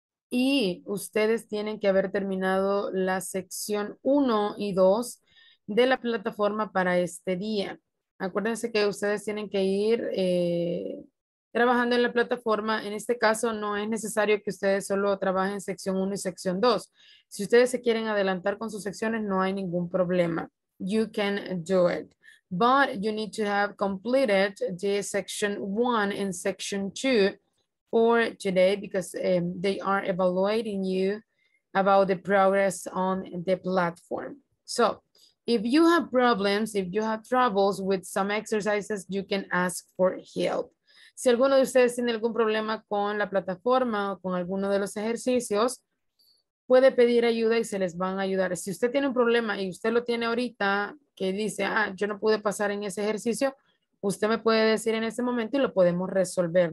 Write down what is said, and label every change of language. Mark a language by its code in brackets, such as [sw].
[es] Y ustedes tienen que haber terminado la sección 1 y 2 de la plataforma para este día. Acuérdense que ustedes tienen que ir trabajando en la plataforma. En este caso, no es necesario que ustedes solo trabajen sección 1 y sección 2. Si ustedes se quieren adelantar con sus secciones, no hay ningún problema. [en] You can do it. But you need to have completed the section 1 and section 2 for today because they are evaluating you about the progress on the platform. So, if you have problems, if you have troubles with some exercises, you can ask for help. [es] Si alguno de ustedes tiene algún problema con la plataforma o con alguno de los ejercicios, puede pedir ayuda y se les van a ayudar. Si usted tiene un problema y usted lo tiene ahorita, que dice, ah, yo no pude pasar en ese ejercicio, usted me puede decir en ese momento y lo podemos resolver.